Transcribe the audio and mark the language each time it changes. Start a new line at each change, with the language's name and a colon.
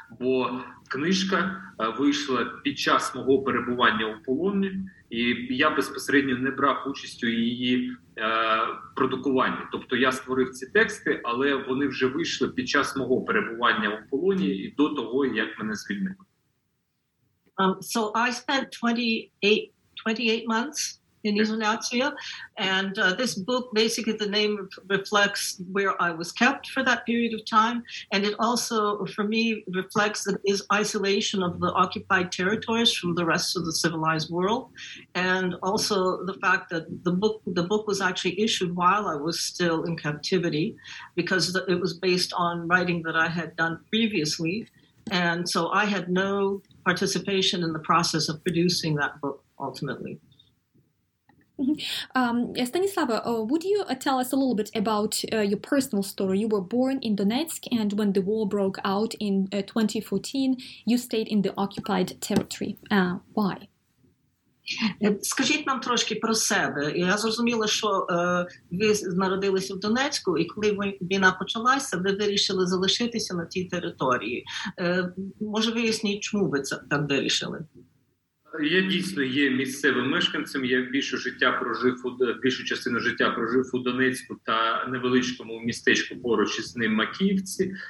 Ukrainian: Бо книжка вийшла під час мого перебування у полоні, і я безпосередньо не брав участь у її продукуванні. Тобто я створив ці тексти, але вони вже вийшли під час мого перебування у полоні і до того, як мене звільнили.
English: So I spent 28 months in isolation, and this book, basically the name reflects where I was kept for that period of time, and it also for me reflects the isolation of the occupied territories from the rest of the civilized world, and also the fact that the book was actually issued while I was still in captivity, because it was based on writing that I had done previously, and so I had no participation in the process of producing that book ultimately. Станислава, would you tell us a little bit about your personal story? You were born in Donetsk, and when the war broke out in 2014, you stayed in the occupied territory. Why?
Ukrainian: Скажіть нам трошки про себе. Я зрозуміла, що ви народилися в Донецьку, і коли війна почалася, ви вирішили залишитися на тій території. Може, виясніть, чому ви це так вирішили? Я дійсно є місцевим мешканцем. Я більшу частину життя прожив у Донецьку та невеличкому містечку поруч із ним Макіївці.